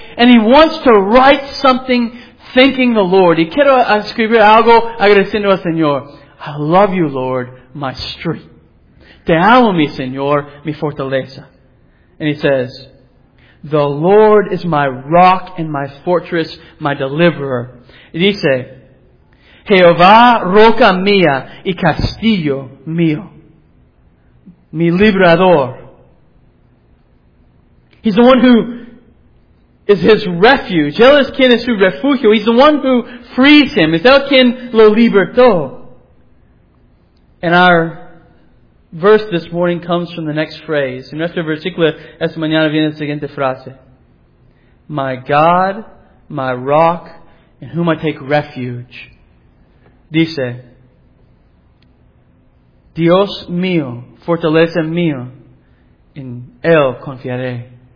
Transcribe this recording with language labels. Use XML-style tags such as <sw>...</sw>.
<en>And he wants to write something thanking the Lord.</en> <es>Y quiero escribir algo agradeciendo al Señor.</es> <en>I love you, Lord, my strength.</en> <es>Te amo, mi Señor, mi fortaleza.</es> <en>And he says, the Lord is my rock and my fortress, my deliverer.</en> <es>Y dice, Jehová roca mía y castillo mío. Mi librador.</es> <en>He's the one who is his refuge.</en> <es>Él es quien es su refugio.</es> <en>He's the one who frees him.</en> <es>Es él quien lo libertó.</es> <en>And our verse this morning comes from the next phrase.</en> <es>En nuestro versículo, esta mañana viene la siguiente frase.</es> <en>My God, my rock, in whom I take refuge.</en> <es>Dice, Dios mío, fortaleza mío, en él confiaré.</es>